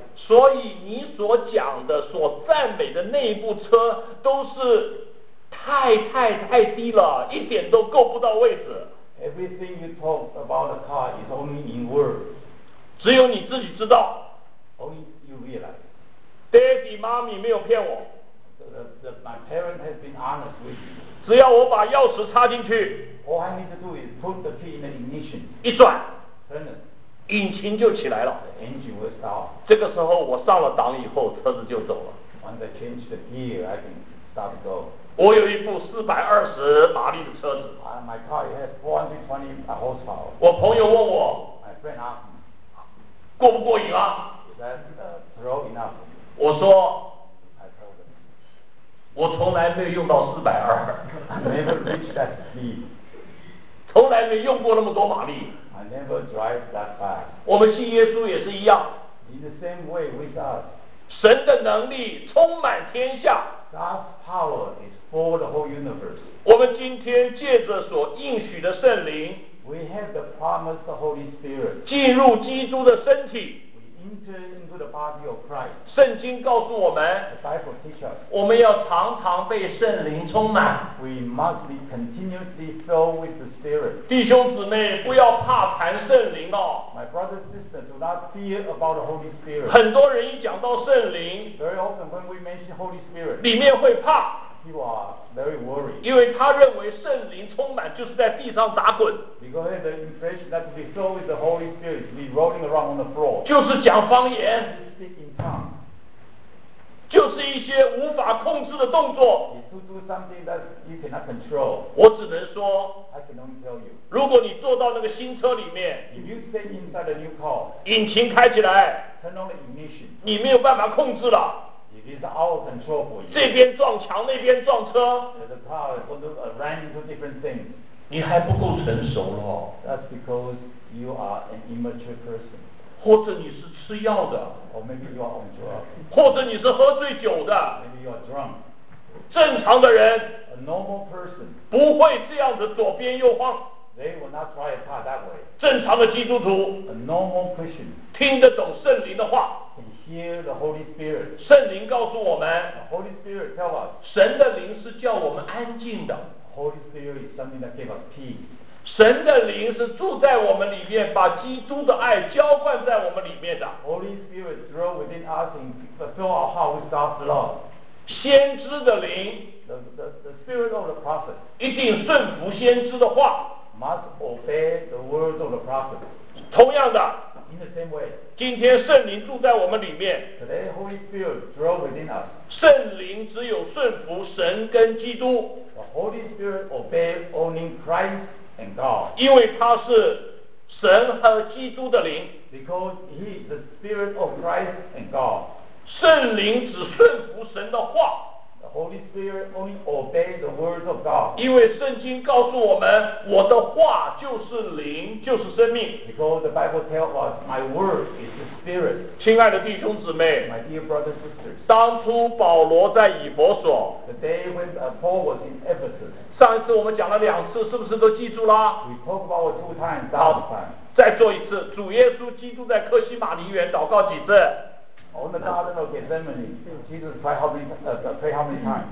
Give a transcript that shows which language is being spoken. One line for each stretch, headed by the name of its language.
Chinese: 所以你所讲的、所赞美的内部车都是太低了，一点都够不到位置。
English: Everything you talk about the car is only in words.
Chinese: 只有你自己知道。
English: Only you realize. Daddy, Mommy
Chinese: 没有骗我。
English: My parents have been honest with you.
Chinese: 只要我把钥匙插进去。
English: All I need to do is put the key in the ignition.
Chinese: 一转。真的。引擎就起来了。
English: The engine will start.
Chinese: 这个时候我上了档以后，车子就走了。
English: Once I change the gear, I can start to go.
Chinese: 我有一部420马力的车子。
English: My car has 420 horsepower.
Chinese: 我朋友问我，
English: My friend asked me,
Chinese: 过不过瘾啊？
English: Is that slow enough?
Chinese: 我说，
English: I told them,
Chinese: 我从来没有用到420。
English: I never reached that speed.
Chinese: 从来没用过那么多马力。
English: I never drive that fast.
Chinese: 我们信耶稣也是一样。
English: In the same way with us.
Chinese: 神的能力充满天下。
English: God's power is for the whole universe.
Chinese: 我们今天借着所应许的圣灵，
English: We have the promise of the Holy Spirit.
Chinese: 进入基督的身体，
English: We enter into the body of Christ.
Chinese: 圣经告诉我们，
English: The Bible teaches us.
Chinese: 我们要常常被圣灵充满，
English: We must be continuously filled with the Spirit.
Chinese: 弟兄姊妹，不要怕谈圣灵哦。
English: My brothers and sisters, do not fear about the Holy Spirit.
Chinese: 很多人一讲到圣灵，
English: Very often when we mention Holy Spirit,
Chinese: 里面会怕。
English: You are very worried.
Chinese: 因为他认为圣灵充满就是在地上打滚。
English: Because the impression that we saw with the Holy Spirit is rolling around on the floor.
Chinese: 就是讲方言。
English: Speaking tongues.
Chinese: 就是一些无法控制的动作。
English: You do something that you cannot control.
Chinese: 我只能说。
English: I can only tell you.
Chinese: 如果你坐到那个新车里面。
English: If you sit inside a new car.
Chinese: 引擎开起来。
English: Turn on the ignition.
Chinese: 你没有办法控制了。
English: It is out of control for you.
Chinese: 这边撞墙，那边撞车。
English: The car is going to run into different things.
Chinese: 你还不够成熟了。
English: That's because you are an immature person.
Chinese: 或者你是吃药的。
English: Or maybe you are on drugs.
Chinese: 或者你是喝醉酒的。
English: Maybe you are drunk.
Chinese: 正常的人。
English: A normal person.
Chinese: 不会这样子左边右晃。
English: They will not try a car that way.
Chinese: 正常的基督徒。
English: A normal Christian.
Chinese: 听得懂圣灵的话。
English: Hear the Holy Spirit.
Chinese: 圣灵告诉我们，
English: the Holy Spirit tell us,
Chinese: 神的灵是叫我们安静的。
English: Holy Spirit is something that gave us peace.
Chinese: 神的灵是住在我们里面，把基督的爱浇灌在我们里面的。
English: Holy Spirit dwells within us and fills our heart with God's love.
Chinese: 先知的灵，
English: the spirit of the prophet,
Chinese: 一定顺服先知的话，
English: must obey the words of the prophet.
Chinese: 同样的。
English: In the same way,
Chinese: 今天圣灵住在我们里面。
English: Today, Holy Spirit dwells within us.
Chinese: 圣灵只有顺服神跟基督。
English: The Holy Spirit obeys only Christ and God.
Chinese: 因为他是神和基督的灵。
English: Because he is the Spirit of Christ and God.
Chinese: 圣灵只顺服神的话。
English: The Holy Spirit only obeys the words of God.
Chinese: 因为圣经告诉我们，我的话就是灵，就是生命。
English: Because the Bible tells us, my word is the spirit.
Chinese: 亲爱的弟兄姊妹，
English: my dear brothers and sisters,
Chinese: 当初保罗在以弗所，
English: the day when Paul was in Ephesus,
Chinese: 上一次我们讲了两次，是不是都记住了？
English: We talk about it two times, last time.
Chinese: 再做一次，主耶稣基督在客西马尼园祷告几次？
English: On the Garden of Gethsemane, Jesus prayed how many times?